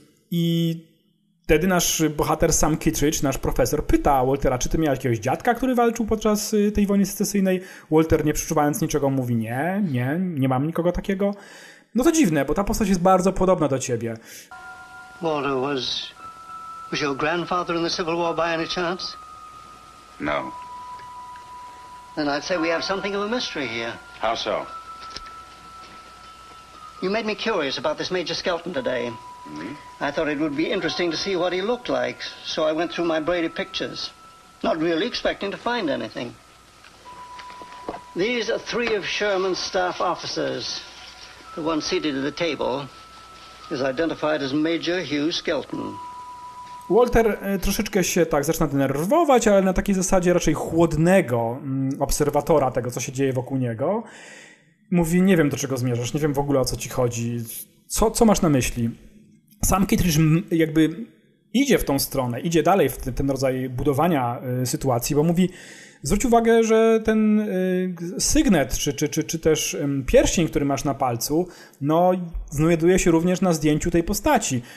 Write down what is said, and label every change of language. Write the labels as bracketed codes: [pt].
[pl] I wtedy nasz bohater Sam Kittridge, nasz profesor, pyta Waltera, czy ty miałeś jakiegoś dziadka, który walczył podczas tej wojny secesyjnej? Walter, nie przeczuwając niczego, mówi nie mam nikogo takiego. No to dziwne, bo ta postać jest bardzo podobna do ciebie. [en] Walter, was your grandfather in the Civil War by any chance? No. Then I'd say we have something of a mystery here. How so? You made me curious about this Major Skelton today. Mm-hmm. I thought it would be interesting to see what he looked like, so I went through my Brady pictures, not really expecting to find anything. These are three of Sherman's staff officers. The one seated at the table is identified as Major Hugh Skelton. [pl] Walter troszeczkę się tak zaczyna denerwować, ale na takiej zasadzie raczej chłodnego obserwatora tego, co się dzieje wokół niego. Mówi, nie wiem, do czego zmierzasz, nie wiem w ogóle, o co ci chodzi. Co masz na myśli? Sam Kittridge jakby idzie w tą stronę, idzie dalej w ten rodzaj budowania sytuacji, bo mówi, zwróć uwagę, że ten sygnet, czy też pierścień, który masz na palcu, no, znajduje się również na zdjęciu tej postaci.